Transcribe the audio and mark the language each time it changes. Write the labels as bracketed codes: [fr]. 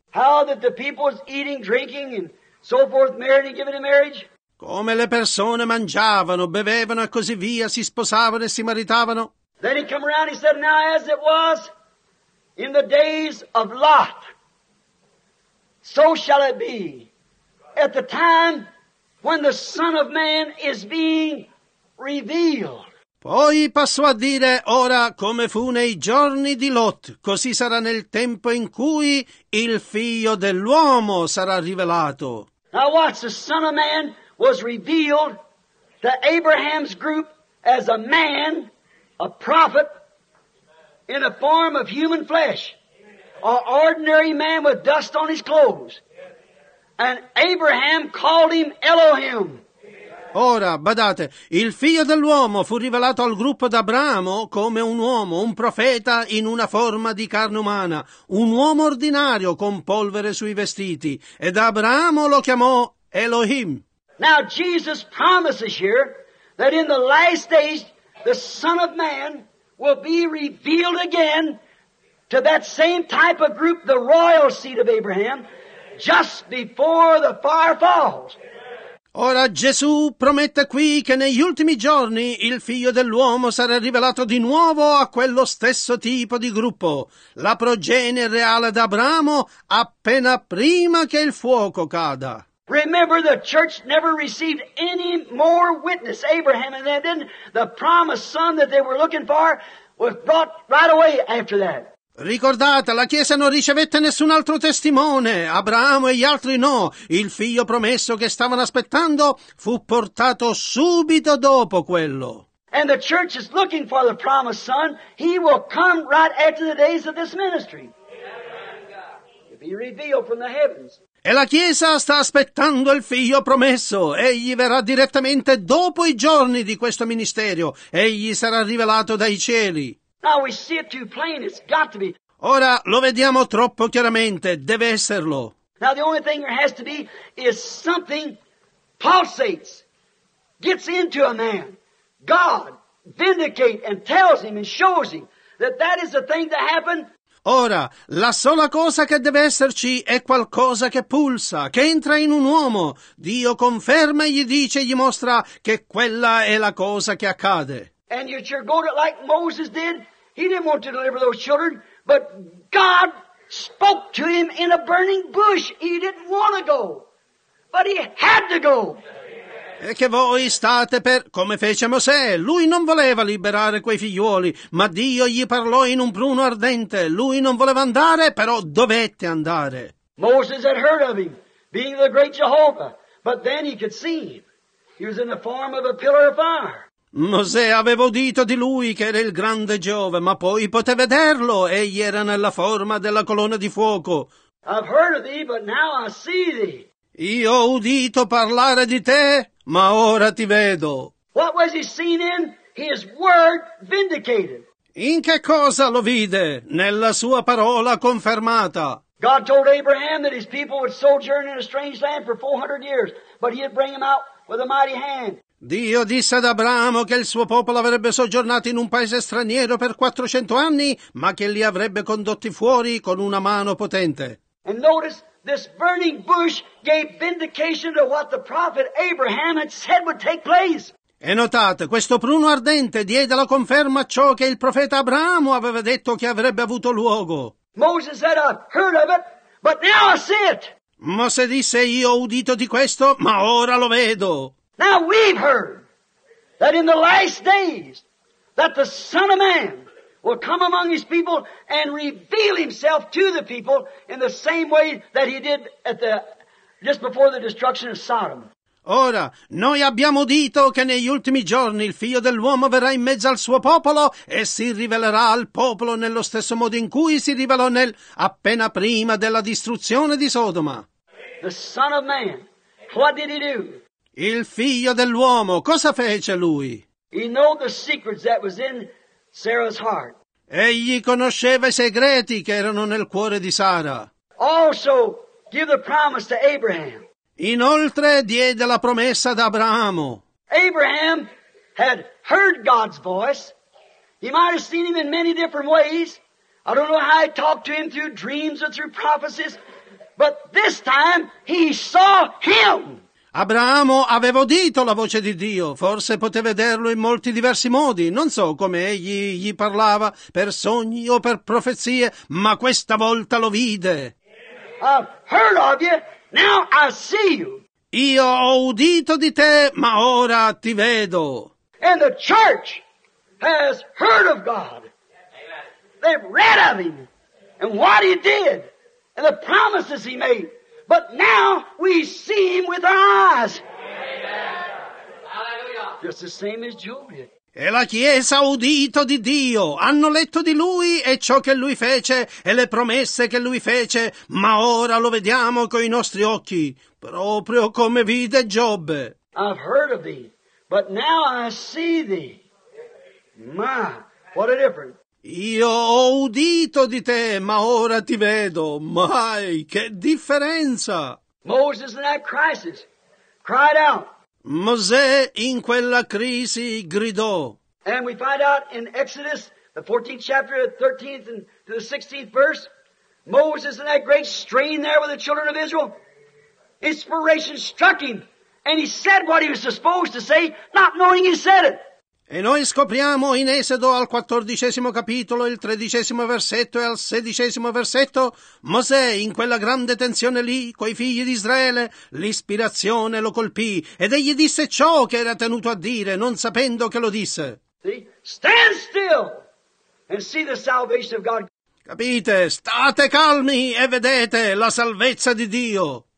[en] How that the people was eating, drinking, and so forth, married and given in marriage. [it] Come le persone mangiavano, bevevano e così via, si sposavano e si maritavano. [en] Then he came around, he said, now as it was in the days of Lot, so shall it be at the time when the Son of Man is being revealed. [it] Poi passò a dire, ora come fu nei giorni di Lot, così sarà nel tempo in cui il figlio dell'uomo sarà rivelato. [en] Now watch, the Son of Man was revealed to Abraham's group as a man, a prophet, in a form of human flesh, an ordinary man with dust on his clothes. And Abraham called him Elohim. [it] Ora, badate, il figlio dell'uomo fu rivelato al gruppo d'Abramo come un uomo, un profeta in una forma di carne umana, un uomo ordinario con polvere sui vestiti, ed Abramo lo chiamò Elohim. [en] Now Jesus promises here that in the last days the Son of Man will be revealed again to that same type of group, the royal seed of Abraham, just before the fire falls. [it] Ora Gesù promette qui che negli ultimi giorni il figlio dell'uomo sarà rivelato di nuovo a quello stesso tipo di gruppo, la progenie reale d'Abramo appena prima che il fuoco cada. [en] Remember, the church never received any more witness, Abraham, and then the promised son that they were looking for was brought right away after that. [it] Ricordate, la Chiesa non ricevette nessun altro testimone, Abramo e gli altri no, il figlio promesso che stavano aspettando fu portato subito dopo quello. [en] And the church is looking for the promised son, he will come right after the days of this ministry. He'll be revealed from the heavens. [it] E la Chiesa sta aspettando il figlio promesso, egli verrà direttamente dopo i giorni di questo ministerio, egli sarà rivelato dai cieli. [en] Now we see it too plain, it's got to be. [it] Ora lo vediamo troppo chiaramente, deve esserlo. [en] Now the only thing there has to be is something pulsates, gets into a man. God vindicate and tells him and shows him that that is the thing that happened. [it] Ora, la sola cosa che deve esserci è qualcosa che pulsa, che entra in un uomo. Dio conferma e gli dice e gli mostra che quella è la cosa che accade. [en] And you're going to, like Moses did, he didn't want to deliver those children, but God spoke to him in a burning bush. He didn't want to go, but he had to go. [it] E che voi state per... Come fece Mosè, lui non voleva liberare quei figliuoli, ma Dio gli parlò in un pruno ardente. Lui non voleva andare, però dovette andare. [en] Moses had heard of him, being the great Jehovah, but then he could see him. He was in the form of a pillar of fire. [it] Mosè aveva udito di lui che era il grande Giove, ma poi poté vederlo, egli era nella forma della colonna di fuoco. [en] I've heard of thee, but now I see thee. [it] Io ho udito parlare di te, ma ora ti vedo. [en] What was he seen in? His word vindicated. [it] In che cosa lo vide? Nella sua parola confermata. [en] God told Abraham that his people would sojourn in a strange land for 400 years, but he'd bring them out with a mighty hand. [it] Dio disse ad Abramo che il suo popolo avrebbe soggiornato in un paese straniero per 400 anni, ma che li avrebbe condotti fuori con una mano potente. [en] And notice, this burning bush gave vindication to what the prophet Abraham had said would take place. [it] E notate, questo pruno ardente diede la conferma a ciò che il profeta Abramo aveva detto che avrebbe avuto luogo. [en] Moses said, I've heard of it, but now I see it. [it] Mosè disse, io ho udito di questo, ma ora lo vedo. [en] Now we've heard that in the last days that the Son of Man will come among his people and reveal himself to the people in the same way that he did at the just before the destruction of Sodom. [it] Ora, noi abbiamo udito che negli ultimi giorni il figlio dell'uomo verrà in mezzo al suo popolo e si rivelerà al popolo nello stesso modo in cui si rivelò nel appena prima della distruzione di Sodoma. [en] The Son of Man, what did he do? [it] Il figlio dell'uomo, cosa fece lui? [en] He knew the secrets that was in Sarah's heart. [it] Egli conosceva i segreti che erano nel cuore di Sara. [en] Also, give the promise to Abraham. [it] Inoltre, diede la promessa ad Abramo. [en] Abraham had heard God's voice. He might have seen him in many different ways. I don't know how he talked to him through dreams or through prophecies, but this time he saw him. [it] Abramo aveva udito la voce di Dio, forse poté vederlo in molti diversi modi, non so come egli gli parlava, per sogni o per profezie, ma questa volta lo vide. [en] I've heard of you, now I see you. [it] Io ho udito di te, ma ora ti vedo. [en] And the church has heard of God. They've read of him, and what he did, and the promises he made. But now we see him with our eyes. Amen. Just the same as Job did. [it] E la Chiesa ha udito di Dio. Hanno letto di lui e ciò che lui fece e le promesse che lui fece, ma ora lo vediamo coi nostri occhi, proprio come vide Giobbe. [en] I've heard of thee, but now I see thee. Ma, what a difference. [it] Io ho udito di te, ma ora ti vedo. Mai, che differenza! [en] Moses in that crisis cried out. [it] Mosè in quella crisi gridò. [en] And we find out in Exodus, the 14th chapter, the 13th and to the 16th verse, Moses in that great strain there with the children of Israel, inspiration struck him, and he said what he was supposed to say, not knowing he said it. [it] E noi scopriamo in Esodo al 14° capitolo, il 13° versetto e al 16° versetto, Mosè in quella grande tensione lì, coi figli di Israele, l'ispirazione lo colpì, ed egli disse ciò che era tenuto a dire, non sapendo che lo disse. [en] Stand still and see the salvation of God. [it] Capite? State calmi e vedete la salvezza di Dio.